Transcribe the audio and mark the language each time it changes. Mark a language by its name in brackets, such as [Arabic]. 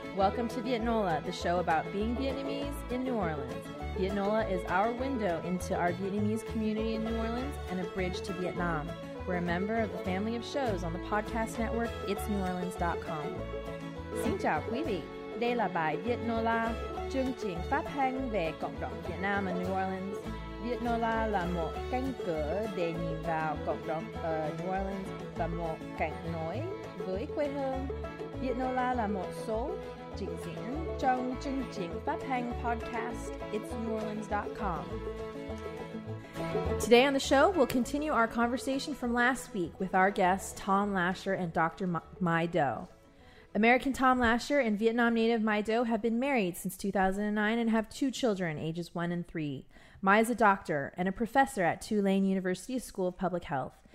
[English] Welcome to VietNOLA, the show about being Vietnamese in New Orleans. VietNOLA is our window into our Vietnamese community in New Orleans and a bridge to Vietnam. We're a member of the family of shows on the podcast network, itsneworleans.com. [Vietnamese] Xin chào quý vị. Đây là bài VietNOLA, chương trình phát thanh về cộng đồng Việt Nam ở New Orleans. VietNOLA là một cánh cửa để nhìn vào cộng đồng ở New Orleans và một cạnh nối với quê hương. VietNOLA là một số trình diễn trong chương trình phát thanh podcast itsneworleans.com. [English] Today on the show, we'll continue our conversation from last week with our guests Tom Lasher and Dr. Mai Do. American Tom Lasher and Vietnam native Mai Do have been married since 2009 and have two children, ages 1 and 3. Mai is a doctor and a professor at Tulane University School of Public Health.